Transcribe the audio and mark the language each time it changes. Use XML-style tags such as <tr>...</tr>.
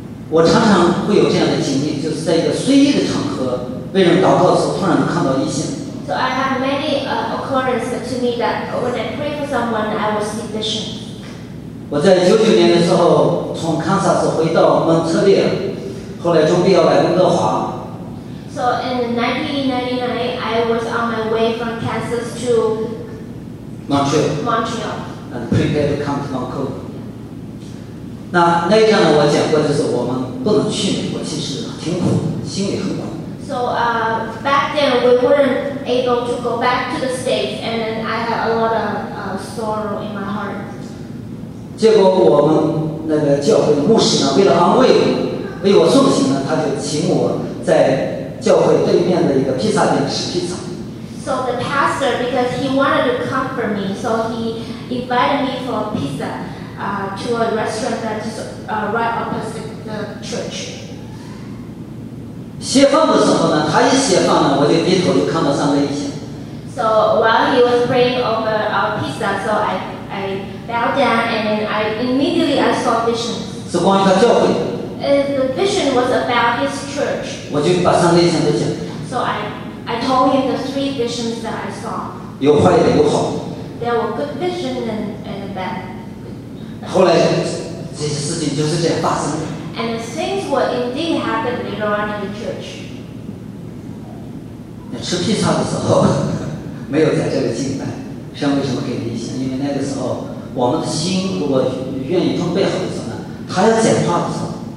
<zh>我常常会有这样的经历，就是在一个随意的场合，为人祷告的时候，突然看到异象。</zh> <en>So I have many occurrences to me that when I pray for someone, I will see visions.</en> <zh>我在99年的时候从堪萨斯回到蒙特利尔。后来终于要来温哥华。</zh> <en>So in 1999, I was on my way from Kansas to Montreal. Montreal. And prepared to come to Vancouver.</en> <zh>那一站呢，我讲过，就是我们不能去美国，其实挺苦，心里很苦。</zh> <en>So back then we weren't able to go back to the States, and I had a lot of sorrow in my heart.</en> <zh>结果我们那个教会的牧师呢，为了安慰我。为我送行呢，他就请我在教会对面的一个披萨店吃披萨。</zh> <en>So the pastor, because he wanted to comfort me, so he invited me for a pizza, to a restaurant that's right opposite the church.</en> <zh>写饭的时候呢，他一写饭呢，我就低头就看到三个异象。</zh> <en>So while he was praying over our pizza, so I bowed down and then I immediately I saw visions.</en> <zh>是关于他教会。</zh> <en>The vision was about his church.</en> <zh>我就把三个异象都讲。</zh> <en>So I told him the three visions that I saw.</en> <zh>有坏的，有好。</zh> <en>There were good visions and bad.</en> <zh>后来这些事情就是这样发生的。</zh> <en>And the things were indeed happened later on in the church.</en> <zh>吃披萨的时候没有在这个敬拜，神为什么给你异象？因为那个时候我们的心如果愿意准备好的时候呢，他要讲话的时候。</zh>